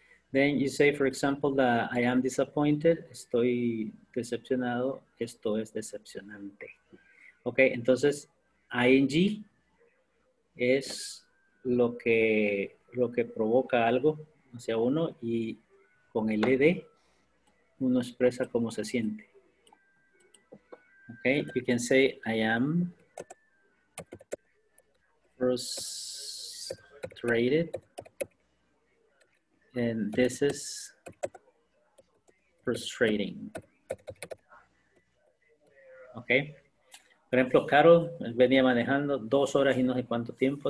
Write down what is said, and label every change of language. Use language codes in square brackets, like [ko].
[en] Then you say, for example, that I am disappointed. [es] Estoy decepcionado. Esto es decepcionante. Okay, entonces, ing es lo que provoca algo hacia uno y con el ed uno expresa cómo se siente. [en] Okay, you can say, I am frustrated, and this is frustrating. Okay. [es] Por ejemplo, Carol venía manejando 2 horas y no sé cuánto tiempo.